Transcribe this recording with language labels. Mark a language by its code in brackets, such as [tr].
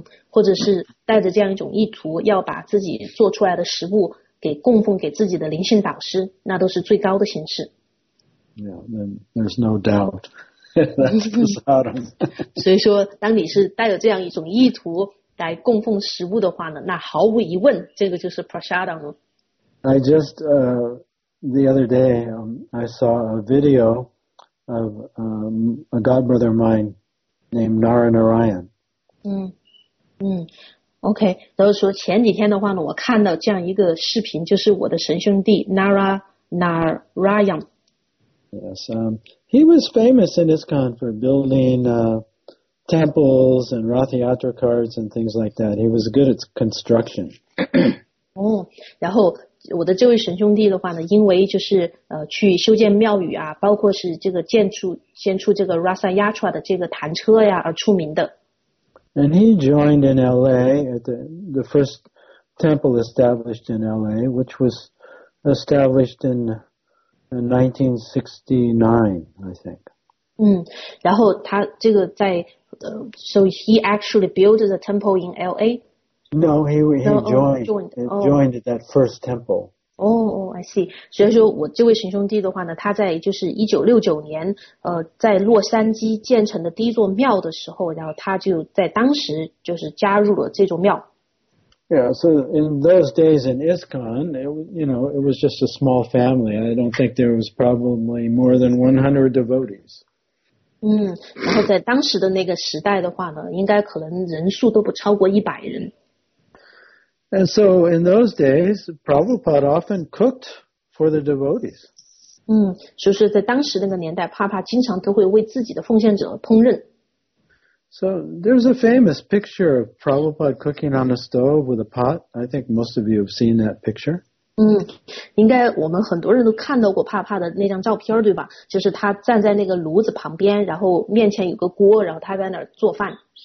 [zh] 或者是带着这样一种意图，要把自己做出来的食物给供奉给自己的灵性导师，那都是最高的形式。 [en] Yeah, then there's no doubt that's prasadam. [zh] 所以说，当你是带着这样一种意图来供奉食物的话呢，那毫无疑问，这个就是 prasadam 了。 [en] I just the other day I saw a video. Of a godbrother of mine named Nara Narayan. [zh] okay. 都说前几天的话呢，我看到这样一个视频，就是我的神兄弟 Nara Narayan. [en] Yes. He was famous in ISKCON for building temples and Rathyatra carts and things like that. He was good at construction. [zh] 然后。我的这位神兄弟的话呢，因为就是去修建庙宇啊，包括是这个建出这个 Rasa Yatra 的这个弹车呀而出名的。 [en] And he joined in L.A. at the first temple established in L.A., which was established in 1969, I think. [zh] 然后他这个在 [en] so he actually built the temple in L.A. No, he joined at that first temple. Oh, I see. [zh] 所以说我这位神兄弟的话呢，他在就是1969年，在洛杉矶建成的第一座庙的时候，然后他就在当时就是加入了这座庙。 [en] Yeah, so in those days in ISKCON, it was just a small family. I don't think there was probably more than 100 devotees. [zh] 然后在当时的那个时代的话呢，应该可能人数都不超过100人。 [en] And so in those days, Prabhupada often cooked for the devotees. [zh] 就是在当时那个年代，帕帕经常都会为自己的奉献者烹饪。 [en] So there's a famous picture of Prabhupada cooking on a stove with a pot. I think most of you have seen that picture. [zh] 应该我们很多人都看到过帕帕的那张照片，对吧？就是他站在那个炉子旁边，然后面前有个锅，然后他在那儿做饭。